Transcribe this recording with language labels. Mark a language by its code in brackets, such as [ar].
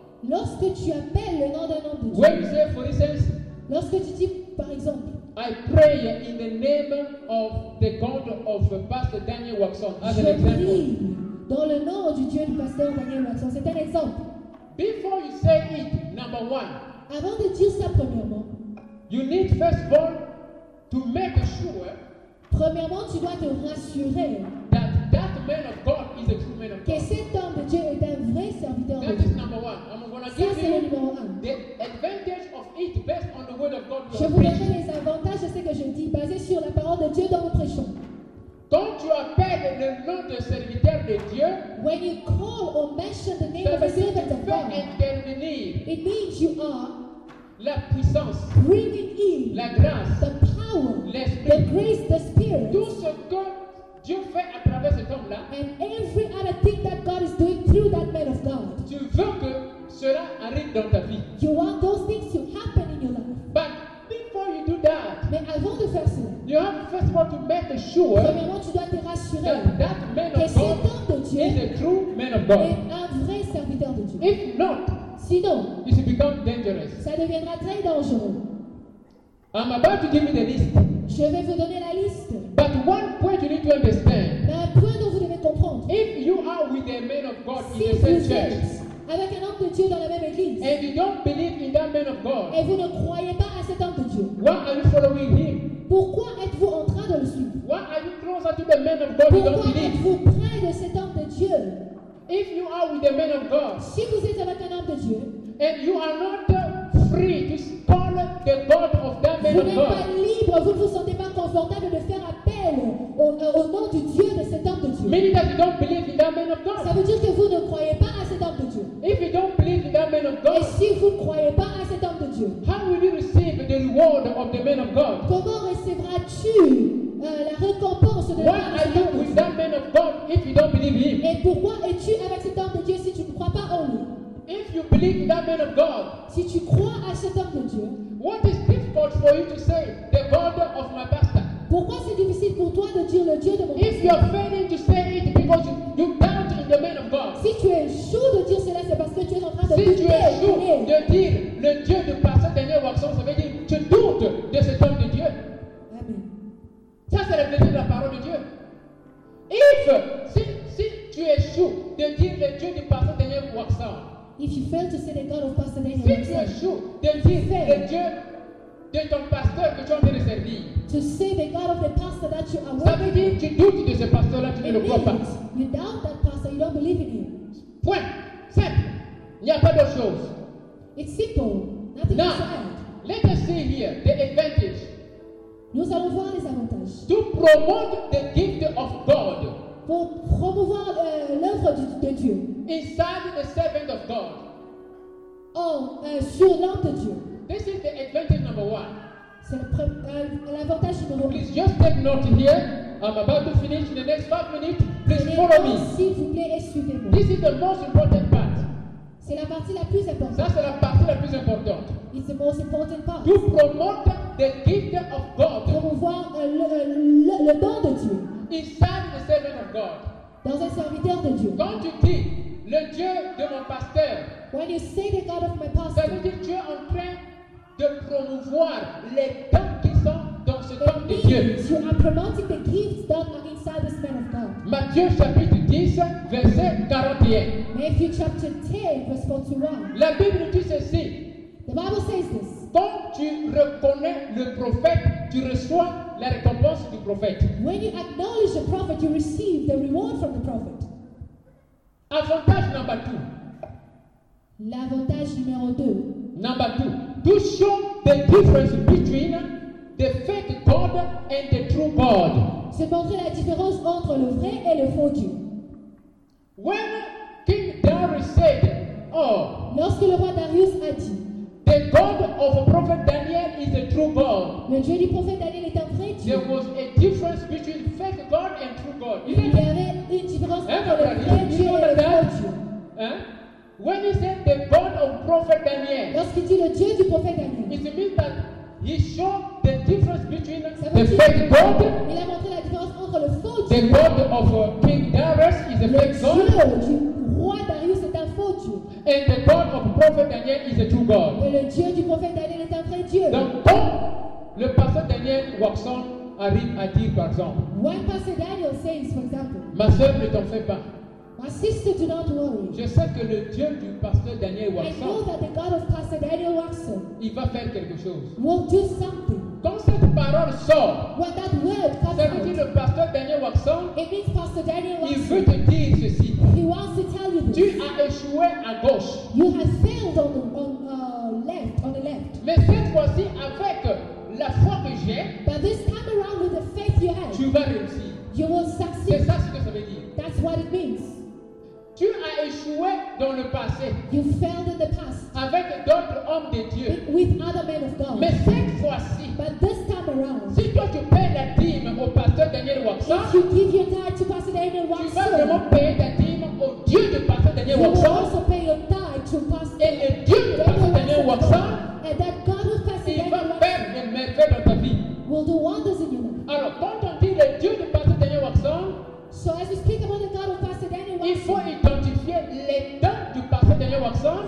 [fr] lorsque tu appelles le nom d'un homme de Dieu, [en] when you say, for instance, [fr] lorsque tu dis par exemple, [en] I pray in the name of the God of Pastor Daniel Watson. As [fr] je [en] an example. [fr] Prie dans le nom du Dieu du Pasteur Daniel Watson. C'est un exemple. [en] Before you say it, number one. [fr] Avant de dire ça premièrement. [en] You need first of all to make sure. [fr] Premièrement, tu dois te rassurer. [en] That that man of God is a true man of God. [fr] Que cet homme de Dieu est un vrai serviteur. [en] That [fr] de Dieu. [en] Is number one. I'm gonna [fr] ça, [en] give you [fr] le [en] the advantage of it based on the word of God. [fr] Je vous donnerai les avantages de ce que je dis basé sur la parole de Dieu dans votre chant. Quand tu appelles le nom de serviteur de Dieu, [en] when you call or mention the name of a servant of God, it means you are [fr] la puissance, [en] bringing in [fr] la grâce, [en] the power, [fr] l'esprit, [en] the grace, the spirit. [fr] Tout ce que Dieu fait à travers cet homme-là, [en] and every other thing that God is doing through that man of God, [fr] tu veux que cela arrive dans ta vie. [en] You want those things to happen in your life. But before you do that, [fr] mais avant de faire cela, [en] you have first of all to make sure, [fr] premièrement, tu dois te rassurer [en] that man of God is a true man of God. [fr] Est un vrai serviteur de Dieu. [en] If not, [fr] sinon, [en] it becomes dangerous. [fr] Ça deviendra très dangereux. [en] I'm about to give you the list. [fr] Je vais vous donner la liste. [en] But one point you need to understand. [fr] Mais un point dont vous devez comprendre. [en] If you are with a man of God [fr] si [en] in the same church, [fr] avec un homme de Dieu dans la même église, [en] and you don't believe in that man of God, [fr] et vous ne croyez pas à cet homme de Dieu, [en] why are you following him? [fr] Pourquoi êtes-vous en train de le suivre? [en] Why are you closer to the man of God? [fr] Pourquoi êtes-vous près de cet homme de Dieu? [en] If you are with the man of God, [fr] si vous êtes avec un homme de Dieu, [en] and you are not free to call the God of that man of God, [fr] vous n'êtes pas libre, vous ne vous sentez pas confortable de faire appel au nom du Dieu de cet homme de Dieu. [en] Meaning that you don't believe in that man of God. [fr] Ça veut dire que vous ne croyez pas à cet homme de Dieu. [en] If you don't believe in that man of God, [fr] et si vous ne croyez pas à cet homme de Dieu, [en] how will you receive the reward of the man of God? [fr] Comment recevras-tu la récompense de l'homme de Dieu? [en] Why are you with that man of God if you don't believe him? [fr] Et pourquoi es-tu avec cet homme de Dieu si tu ne crois pas en lui? [en] If you believe in that man of God, [fr] si tu crois à cet homme de Dieu, [en] what is difficult for you to say the God of my pastor? [fr] Pourquoi c'est difficile pour toi de dire le Dieu de mon [en] pasteur? If you are failing to say it because you doubt in the man of God, [fr] si tu es chaud de dire cela, c'est parce que tu es en train de si tu es chaud de dire le Dieu de pasteur Daniel Watson, ça veut dire tu doutes de cet homme de Dieu. Amen. Ça c'est la vérité de la parole de Dieu. If si tu es chaud de dire le Dieu de pasteur Daniel Watson, [en] if you fail to say the God of Pastor Daniel, [fr] si tu es chaud de dire le Dieu de ton pasteur que tu as de servir, [en] to say the God of the pastor that you are, [fr] ça veut dire tu doutes de ce pasteur là, tu ne le crois pas. [en] You doubt that pastor, you don't believe in him. [fr] Point. Simple. Il n'y a pas d'autre chose. [en] It's simple. Nothing now, let us see here the advantage. [fr] Nous allons voir les avantages. [en] To promote the gift of God. [fr] Pour promouvoir l'œuvre de Dieu. [en] Inside the servant of God. [fr] Sur l'homme de Dieu. [en] This is the advantage number one. [fr] C'est l'avantage numéro un. [en] Please just take note here. I'm about to finish in the next 5 minutes. Please [fr] prenez [en] follow me. [fr] S'il vous plaît, et suivez-moi. [en] This is the most important part. [fr] C'est la partie la plus importante. Ça, c'est la partie la plus importante. [en] It's the most important part. To promote the gift of God. [fr] Promouvoir le don de Dieu. [en] Inside the servant of God. [fr] Dans un serviteur de Dieu. Quand tu dis Le Dieu de mon pasteur. [en] When you say the God of my pastor. [fr] Ça veut dire Dieu en train de promouvoir les dons qui sont dans ce temps de Dieu. [en] You are promoting the gifts that are inside this man of God. [fr] Matthieu chapitre 10, verset 41. [en] Matthew chapter 10, verse 41. [fr] La Bible dit ceci. [en] The Bible says this. [fr] Quand tu reconnais le prophète, tu reçois la récompense du prophète. [en] When you acknowledge the prophet, you receive the reward from the prophet. Avantage number two. [fr] L'avantage numéro 2. [en] Number two. Touchons the difference between the fake God and the true God. [fr] Se montrer la différence entre le vrai et le faux Dieu. [en] When King Darius said, oh. [fr] Lorsque le roi Darius a dit. [en] The God of the prophet Daniel is the true God. [fr] Le Dieu du prophète Daniel est un vrai Dieu. [en] There was a difference between fake God and true God. [fr] Il y avait une différence entre le vrai Dieu et le faux Dieu. [en] When he said the God of prophet Daniel, [fr] lorsqu'il dit le Dieu du prophète Daniel, [en] it means that he showed the difference between the fake God. [fr] Il a montré la différence entre le faux Dieu. [en] The God of King Darius is a fake God. [fr] Le Dieu du roi Darius est un faux Dieu. [en] And the God of prophet Daniel is a true God. [fr] Et le Dieu du prophète Daniel est un vrai Dieu. Donc, quand le pasteur Daniel Watson arrive à dire, par exemple, [en] when Pastor Daniel says, for example, [fr] ma sœur, ne t'en fais pas. [en] My sister, do not worry. [fr] Je sais que le Dieu du pasteur Daniel Watson, [en] I know that the God of Pastor Daniel Watson, [fr] il va faire quelque chose. [en] Will do something. [fr] Quand cette parole sort, [en] when that word comes out, [fr] ça veut dire le pasteur Daniel Watson, [en] it means Pastor Daniel Watson, [fr] il veut te dire ceci. [en] He wants to tell you this. [fr] Tu as échoué à gauche. [en] You have failed on the left. [fr] Mais cette fois-ci, avec la foi que j'ai, [en] but this time around with the faith you have, [fr] tu vas réussir. [en] You will succeed. [fr] C'est ça ce que ça veut dire. [en] That's what it means. [fr] Tu as échoué dans le passé. [en] You failed in the past. [fr] Avec d'autres hommes de Dieu. [en] With other men of God. [fr] Mais cette fois-ci, [en] but this time around, [fr] si toi tu payes la dîme au pasteur Daniel Watson, [en] if you give your tithe to Pastor Daniel Watson, [fr] tu vas vraiment payer ta dîme. Au Dieu du pasteur Daniel [en] you Watson. Will also pay your tithe to pastor. [fr] Et le Dieu du pasteur Daniel Watson. [en] And that God of pastor Daniel Watson. [fr] Il va faire des merveilles dans ta vie. [en] Will do wonders in your life. [fr] Alors quand on dit le Dieu du pasteur Daniel Watson. [en] So as you speak about the God of pastor Daniel Watson. [fr] Il faut identifier les dons du pasteur Daniel Watson.